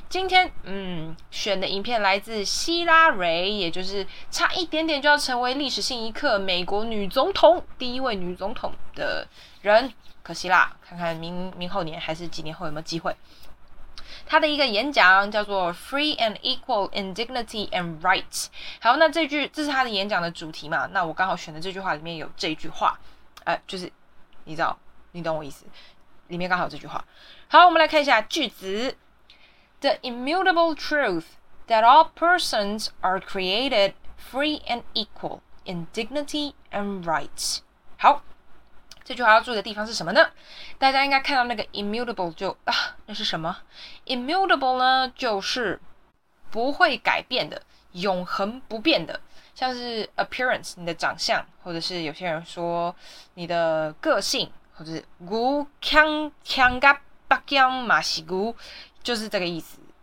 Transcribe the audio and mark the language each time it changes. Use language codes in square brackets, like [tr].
[zh] 今天选的影片来自希拉蕊，也就是差一点点就要成为历史性一刻美国女总统第一位女总统的人，可惜啦，看看明后年还是几年后有没有机会。他的一个演讲叫做 [en] Free and Equal in Dignity and Rights。 [zh] 好，那这句这是他的演讲的主题嘛，那我刚好选的这句话里面有这句话，就是你知道你懂我意思，里面刚好有这句话。好，我们来看一下句子。 [en] The immutable truth that all persons are created free and equal in dignity and rights。 [zh] 好，这句话要注意的地方是什么呢？大家应该看到那个 immutable 就啊，那是什么？ immutable 呢，就是不会改变的，永恒不变的，像是 appearance 你的长相，或者是有些人说你的个性，或者是古腔腔嘎巴腔马西古，就是这个意思。